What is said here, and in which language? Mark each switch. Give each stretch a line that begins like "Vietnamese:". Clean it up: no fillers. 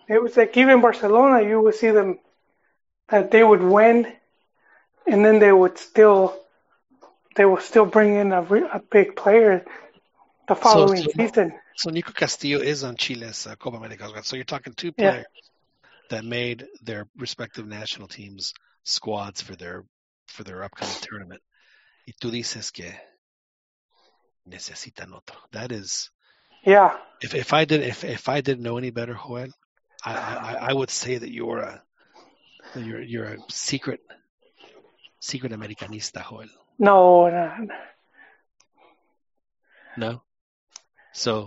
English: It was like even Barcelona, you would see them that they would win and then they would still bring in a big player the following season. So Nico Castillo is on Chile's Copa America. So you're talking two players that made their respective national teams squads for their upcoming tournament.
Spanish: Y tú dices que necesitan otro.
English: That is, yeah. If I didn't know any better, Joel, I would say that you're a secret Americanista, Joel. No. So